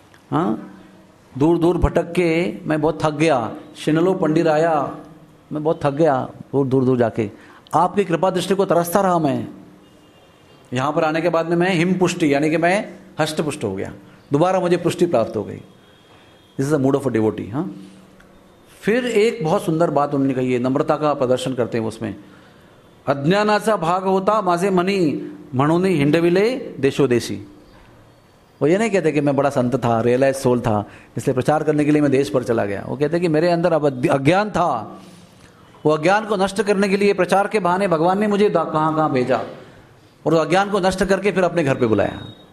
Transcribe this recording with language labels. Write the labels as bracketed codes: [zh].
[hi] हाँ, दूर दूर भटक के मैं बहुत थक गया, शिनलो पंडित आया, मैं बहुत थक गया दूर दूर दूर जाके, आपकी कृपा दृष्टि को तरसता रहा मैं। यहाँ पर आने के बाद में मैं हिम पुष्टि यानी कि मैं हष्ट पुष्ट हो गया, दोबारा मुझे पुष्टि प्राप्त हो गई। [en] This is the mood of a devotee. [hi] हाँ, फिर एक बहुत सुंदर बात उन्होंने कही है, नम्रता का प्रदर्शन करते हैं उसमें। [mr] अज्ञानाचा भाग होता माझे मनी म्हणून हिंडविले देशोदेशी। [hi] वो ये नहीं कहते कि मैं बड़ा संत था, रियलाइज सोल था, इसलिए प्रचार करने के लिए मैं देश पर चला गया। वो कहते कि मेरे अंदर अब अज्ञान था, वो अज्ञान को नष्ट करने के लिए प्रचार के बहाने भगवान ने मुझे कहाँ कहाँ भेजा, और अज्ञान को नष्ट करके फिर अपने घर पे बुलाया।